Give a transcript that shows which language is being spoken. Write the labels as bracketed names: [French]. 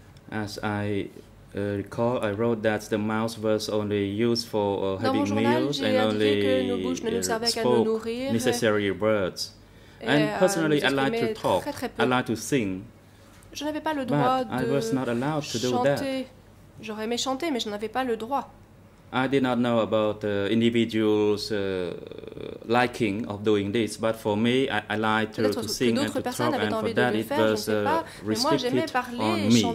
[English] As I recall, I wrote that the mouth was only used for having meals and only spoke necessary words. And personally, I like to talk, I like to sing. [French] Je n'avais pas le droit de chanter. [English] I was not allowed to do that. [French] J'aurais aimé chanter, mais je n'avais pas le droit. [English] I did not know about individuals' liking of doing this, but for me, I liked to sing and to talk, and for that it was restricted on me.